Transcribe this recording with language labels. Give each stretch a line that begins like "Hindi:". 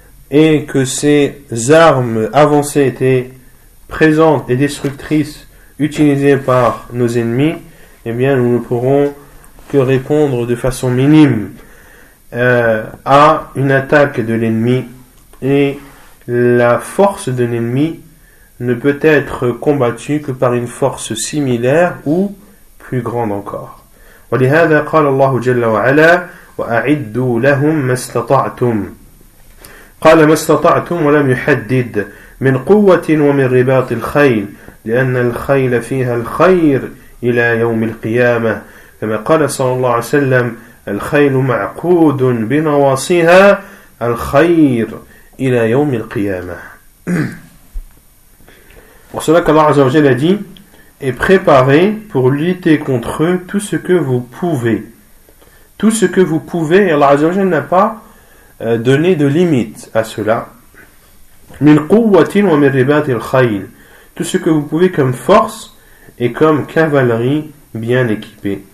French: et que ces armes avancées étaient présentes et destructrices utilisées par nos ennemis, eh bien nous ne pourrons que répondre de façon minime à une attaque de l'ennemi, et la force de l'ennemi ne peut être combattue que par une force similaire ou plus grande encore.
Arabic: وَلِهَذَا قَالَ اللَّهُ جَلَّ وَعَلَى وَأَعِدُّوا لَهُمْ مَا اسْتَطَعْتُمْ قال ما استطعتم ولم يحدد من قوة ومن رباط الخيل لأن الخيل فيها الخير إلى يوم القيامة كما قال صلى الله عليه وسلم الخيل معقود بنواصيها الخير إلى يوم القيامة. وصلى الله عز وجل
French: dit: et préparez pour lutter contre eux tout ce que vous pouvez. Tout ce que vous pouvez, Allah
Arabic: عز وجل
French: n'a pas donner de limites à cela.
Arabic: Min quwwatin wa min ribat al-khayl,
French: tout ce que vous pouvez comme force et comme cavalerie bien équipée.